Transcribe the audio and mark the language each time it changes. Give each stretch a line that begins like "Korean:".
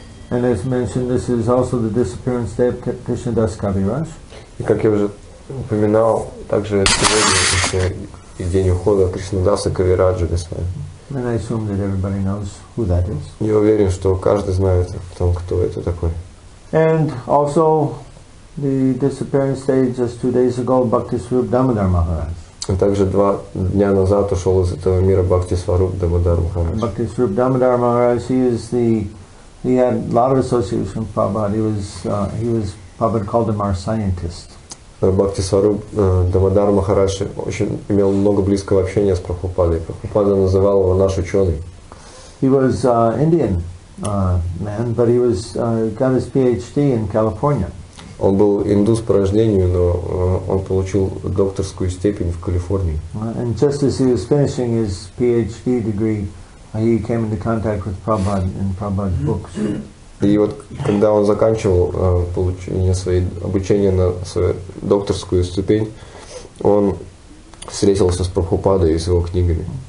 English: And as mentioned, this is also the disappearance day of Krishnadas Kaviraj.
Russian: И как я уже упоминал, также сегодня и день ухода Кришнадаса Кавираджа Госвами.
English: And I assume that everybody knows who that is.
Russian: Я уверен, что каждый знает о том, кто это такой.
English: And also the disappearance day just 2 days ago, Bhaktisvarupa Damodar Maharaj.
Russian: И также два дня назад ушел из этого мира Бхактисварупа Дамодар Махарадж.
English: Бхактисварупа Дамодар Махарадж, he had a lot of association with Prabhupada. He was Prabhupada called him our scientist.
Russian: Бхактисварупа Дамодар Махарадж очень имел много близкого общения с Прабхупадой. Прабхупада называл его наш ученый.
English: He was Indian man, but he got his PhD in California.
Russian: Он был индус по рождению, но он получил докторскую степень в Калифорнии.
English: And just as he was finishing his PhD degree, he came into contact with Prabhupada and Prabhupada's books.
Russian: И вот когда он заканчивал получение своей обучения на свою докторскую ступень, он встретился с Прабхупадой и с его книгами.